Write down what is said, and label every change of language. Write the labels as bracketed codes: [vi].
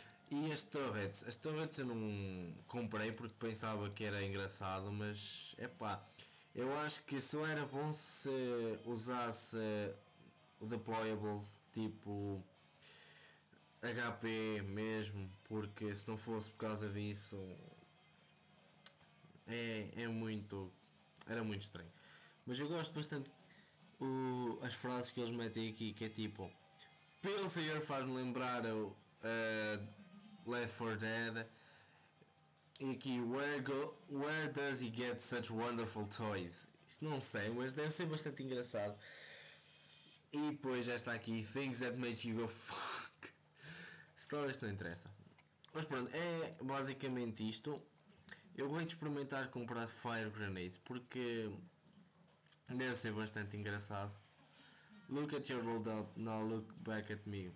[pt] E as turrets eu não comprei porque pensava que era engraçado, mas é pá, eu acho que só era bom se usasse deployables tipo HP mesmo, porque se não fosse por causa disso era muito estranho. Mas eu gosto bastante as frases que eles metem aqui, que é tipo Pale Sayer faz-me lembrar o Left 4 Dead. E aqui, [en] where does he get such wonderful toys? [pt] Isto não sei, mas deve ser bastante engraçado. E depois já está aqui, [en] things that make you go fuck. [pt] Stories não interessa. Mas pronto, é basicamente isto. Eu vou experimentar comprar Fire Grenades porque deve ser bastante engraçado. [en] Look at your loadout, now look back at me.